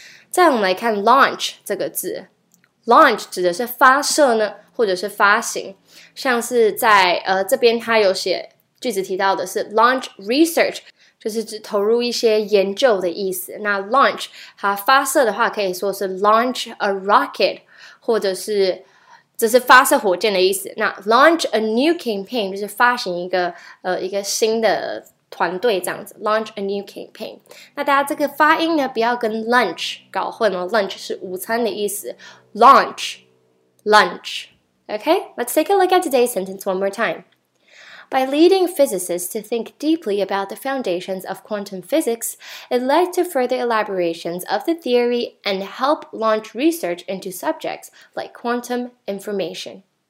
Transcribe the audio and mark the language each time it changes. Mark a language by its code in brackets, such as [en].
[zh] 再我们来看 launch 这个字。launch 指的是发射呢或者是发行，像是在这边它有写句子提到的是 [en] launch research， [zh] 就是指投入一些研究的意思。那 launch 它发射的话可以说是 [en] launch a rocket， [zh] 或者是这是发射火箭的意思。那 [en] launch a new campaign [zh] 就是发行一个新的团队这样子 ，launch a new campaign。那大家这个发音呢，不要跟 lunch 搞混了 ，lunch 是午餐的意思 ，lunch。 [en] Okay, let's take a look at today's sentence one more time. By leading physicists to think deeply about the foundations of quantum physics, it led to further elaborations of the theory and helped launch research into subjects like quantum information.